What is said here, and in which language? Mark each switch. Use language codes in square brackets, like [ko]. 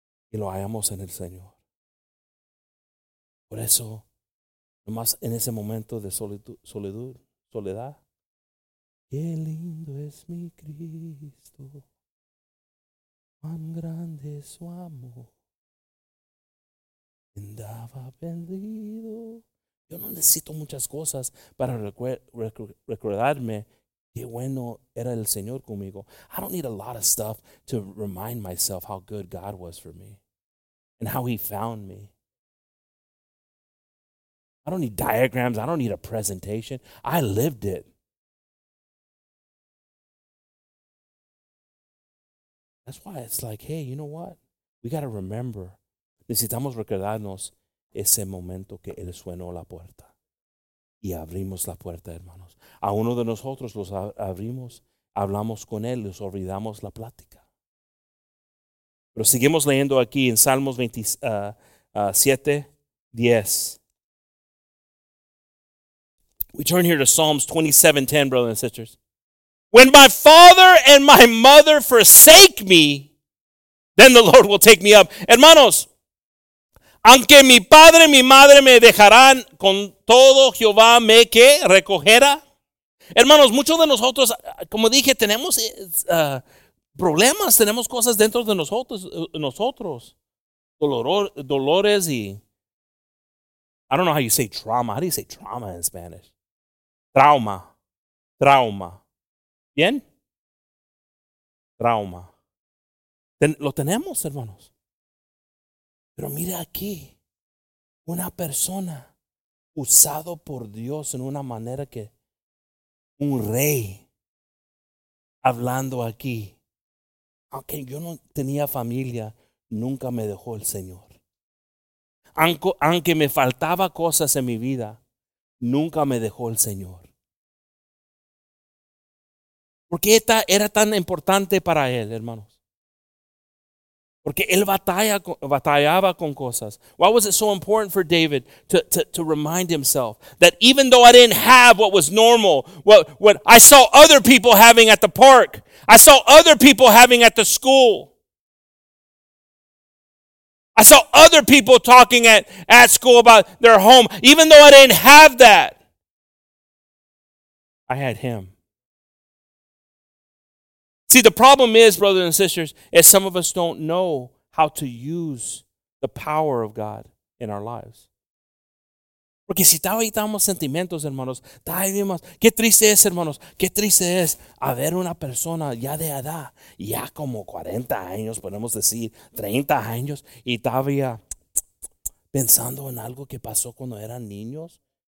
[es] Y lo hallamos en el Señor. Por eso, nomás en ese momento de soledad, qué lindo es mi Cristo, cuán grande es su amor, andaba perdido. Yo no necesito muchas cosas para recordarme qué bueno era el Señor conmigo. [en] I don't need a lot of stuff to remind myself how good God was for me and how he found me. I don't need diagrams. I don't need a presentation. I lived it. That's why it's like, hey, you know what? We got to remember. [es] Necesitamos recordarnos ese momento que él suenó la puerta. Y abrimos la puerta, hermanos. A uno de nosotros los abrimos, hablamos con él, les olvidamos la plática. Pero seguimos leyendo aquí en Salmos 27:10. [en] We turn here to Psalms 27:10, brothers and sisters. When my father and my mother forsake me, then the Lord will take me up. [es] Hermanos, aunque mi padre y mi madre me dejarán, con todo Jehová me que recogerá. Hermanos, muchos de nosotros, como dije, tenemos problemas, tenemos cosas dentro de nosotros. Dolores y, [en] I don't know how you say trauma. How do you say trauma in Spanish? [es] Trauma. ¿Bien? Trauma. Lo tenemos, hermanos. Pero mira aquí, una persona usado por Dios en una manera que un rey hablando aquí. Aunque yo no tenía familia, nunca me dejó el Señor. Aunque me faltaba cosas en mi vida, nunca me dejó el Señor. ¿Por qué era tan importante para él, hermanos? Porque él batallaba con cosas. [en] Why was it so important for David to remind himself that even though I didn't have what was normal, what I saw other people having at the park, I saw other people having at the school, I saw other people talking at school about their home, even though I didn't have that, I had him. See, the problem is, brothers and sisters, is some of us don't know how to use the power of God in our lives. [es] Porque si estamos sentimientos, hermanos, qué triste es, hermanos, qué triste es haber una persona ya de edad, ya como 40 años, podemos decir 30 años, y todavía pensando en algo que pasó cuando eran niños.